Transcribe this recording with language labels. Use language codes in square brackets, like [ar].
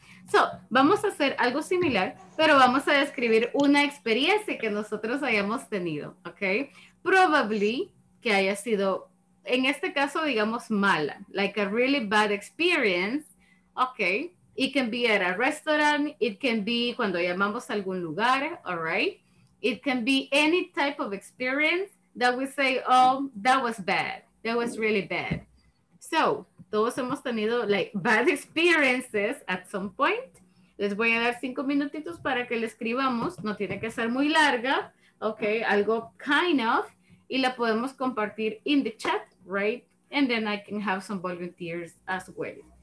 [es] So, vamos a hacer algo similar, pero vamos a describir una experiencia que nosotros hayamos tenido, okay? Probably que haya sido, en este caso, digamos, mala, [en] like a really bad experience, [es] okay? [en] It can be at a restaurant, it can be [es] cuando llamamos a algún lugar, [en] all right? It can be any type of experience that we say, oh, that was bad, that was really bad. So, [es] todos hemos tenido [en] like bad experiences at some point. [es] Les voy a dar 5 minutitos para que le escribamos, no tiene que ser muy larga, okay? Algo [en] kind of, [es] y la podemos compartir [en] in the chat, right? And then I can have some volunteers as well.